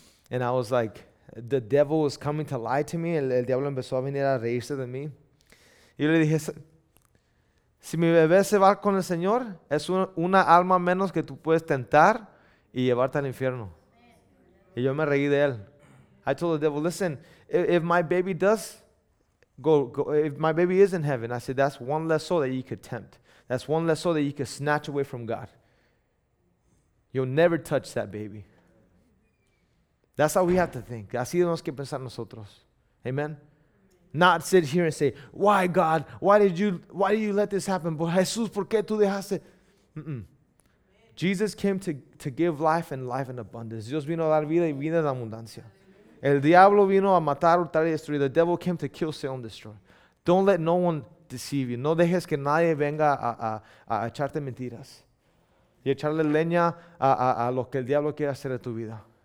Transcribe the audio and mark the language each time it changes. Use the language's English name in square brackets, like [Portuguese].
[English] And I was like, the devil was coming to lie to me. [Spanish] El diablo empezó a venir a reírse de mí. Y le dije, si mi bebé se va con el Señor, es una alma menos que tú puedes tentar y llevarte al infierno. Y yo me reí de él. [English] I told the devil, listen, if my baby does go, if my baby is in heaven, I said, that's one less soul that you could tempt. That's one less soul that you could snatch away from God. You'll never touch that baby. That's how we have to think. [Spanish] Así tenemos que pensar nosotros. Amen. [English] Not sit here and say, why God? Why did you let this happen? But Jesus, [Spanish] ¿por qué tú dejaste? [English] Mm-mm. Jesus came to give life and life in abundance. [Spanish] Dios vino a dar vida y vida en abundancia. El diablo vino a matar, hurtar y destruir. [English] The devil came to kill, steal, and destroy. Don't let no one deceive you. [Spanish] No dejes que nadie venga a echarte mentiras. Y echarle leña a lo que el diablo quiere hacer en tu vida.